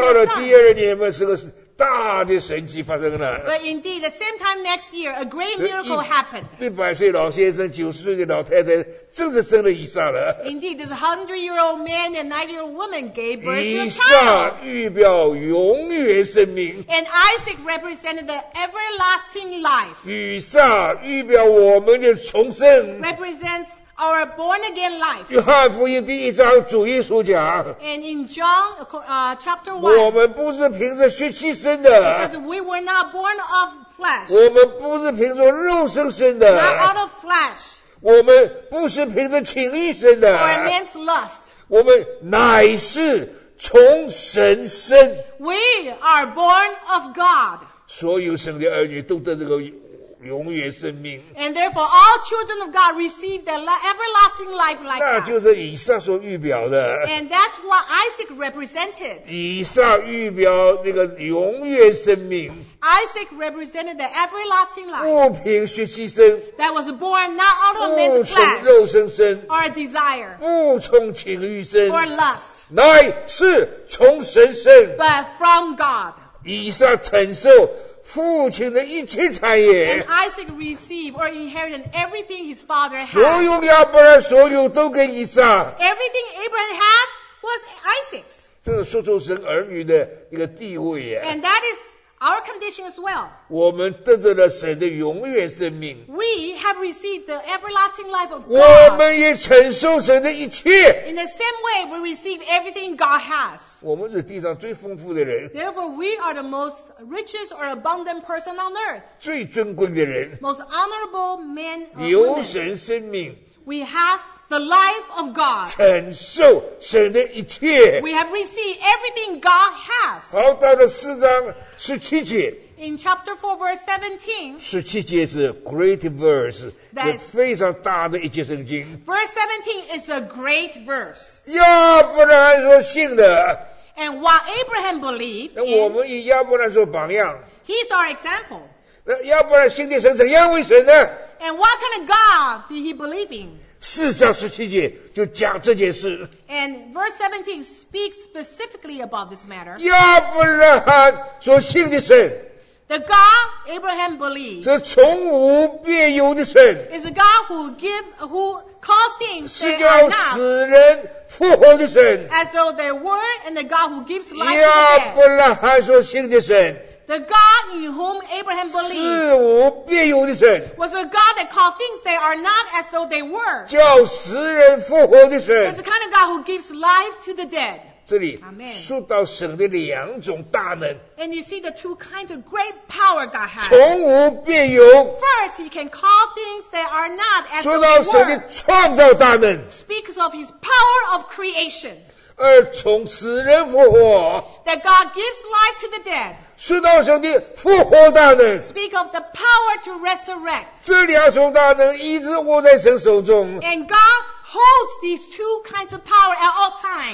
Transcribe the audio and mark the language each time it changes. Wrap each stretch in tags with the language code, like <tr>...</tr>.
<zh>到了第二年嘛，是个大的神迹发生了。</zh> <en>But indeed, the same time next year, a great miracle happened.</en> <zh>100岁老先生90岁的老太太正式生了以撒了。</zh> <en>Indeed, this 100-year-old man and 90-year-old woman gave birth to a child.</en> <zh>以撒预表永远生命。</zh> <en>And Isaac represented the everlasting life.</en> <zh>以撒预表我 我们的重生</zh> <en>represents our born again life.</en> <zh>约翰福音第一章主耶稣讲</zh> <en>and in John chapter 1</en> <zh>我们不是凭着血气生的</zh> <en>because we were not born of flesh.</en> <zh>我们不是凭着肉身生的</zh> <en>not out of flesh.</en> <zh>我们不是凭着情欲生的</zh> <en>or man's lust.</en> <zh>我们乃是从神生</zh> <en>we are born of God.</en> <zh>所有神的儿女都得这个永远生命。</zh> <en>And therefore, all children of God receive the everlasting life like that.</en> <zh>那就是以撒所预表的。</zh> <en>And that's what Isaac represented.</en> <zh>以撒预表那个永远生命。</zh> <en>Isaac represented the everlasting life.</en> <zh>不凭血气生。</zh> <en>That was born not out of man's flesh.</en> <zh>不从肉身生。</zh> <en>Or a desire.</en> <zh>不从情欲生。</zh> <en>Or lust.</en> <zh>乃是从神生。</zh> <en>But from God.</en> <zh>以撒承受父亲的一切产业。</zh> <en>And Isaac received or inherited everything his father had.</en> <zh>所有亚伯拉所有都给以撒。</zh> <en>Everything Abraham had was Isaac's.</en> <zh>这个说出神儿女的一个地位啊。</zh> <en>And that is our condition as well.</en> <zh>我们得着了神的永远生命。</zh> <en>We have received the everlasting life of God.</en> <zh>我们也承受神的一切。</zh> <en>In the same way, we receive everything God has.</en> <zh>我们是地上最丰富的人。</zh> <en>Therefore, we are the most richest or abundant person on earth.</en> <zh>最尊贵的人。</zh> <en>Most honorable man or woman.</en> <zh>有神生命。</zh> <en>We have the life of God.</en> <zh>承受神的一切。</zh> <en>We have received everything God has.</en> <zh>好，到了四章十七节。</zh> <en>In chapter 4, verse 17.</en> <zh>十七节是</zh> <en>great verse.</en> <zh>也非常大的一节圣经。</zh> <en>Verse 17 is a great verse.</en> <zh>亚伯拉罕所信的。</zh> <en>And what Abraham believed.</en> <zh>那我们以亚伯拉罕做榜样。</zh> <en>He's our example.</en> <zh>那亚伯拉罕信的神怎样为神呢？</zh> <en>And what kind of God did he believe in?</en> <zh>四章十七节就讲这件事。</zh> <en>And verse 17 speaks specifically about this matter.</en> <zh>亚伯拉罕所信的神。</zh> <en>The God Abraham believed.</en> <zh>是从无变有的神。</zh> <en>Is a God who caused things.</en> <zh>是叫死人复活的神。</zh> <en>As though the word and the God who gives life to the dead.</en> <zh>亚伯拉罕所信的神。</zh> <en>The God in whom Abraham believed</en> <zh>是无变有的神</zh> <en>was a God that called things that are not as though they were.</en> <zh>叫死人复活的神</zh> <en>is the kind of God who gives life to the dead.</en> <zh>这里说到神的两种大能</zh> <en>And you see the two kinds of great power God has.</en> <zh>从无变有</zh> <en>First, he can call things that are not as though they were.</en> <zh>说到神的创造大能</zh> <en>speaks of his power of creation.</en> <zh>而从死人复活</zh> <en>that God gives life to the dead.</en> <zh>说到神的复活大能</zh> <en>speak of the power to resurrect</en> <zh>这两种大能一直握在神手中</zh> <en>and God holds these two kinds of power at all times</en>